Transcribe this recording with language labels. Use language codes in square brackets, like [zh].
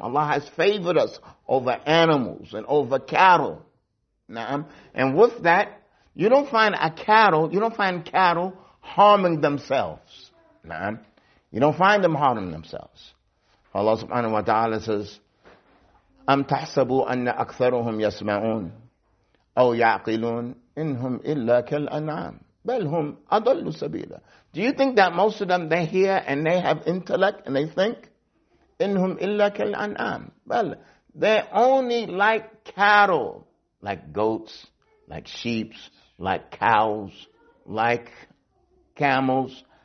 [en] Allah has favored us over animals and over cattle. And with that, you don't find cattle harming themselves. You don't find them harming themselves. Allah subhanahu wa ta'ala says, [ar] أَمْ تَحْسَبُوا أَنَّ أَكْثَرُهُمْ يَسْمَعُونَ أَوْ يَعْقِلُونَ إِنْهُمْ إِلَّا كَالْأَنْعَامِ بَلْ هُمْ أَضَلُّ سَبِيلًا. [en] Do you think that most of them, they hear and they have intellect and they think? [ar] إِنْهُمْ إِلَّا كَالْأَنْعَامِ بَلْ. [en] They're only like cattle, like goats, like sheep, like cows, like camels.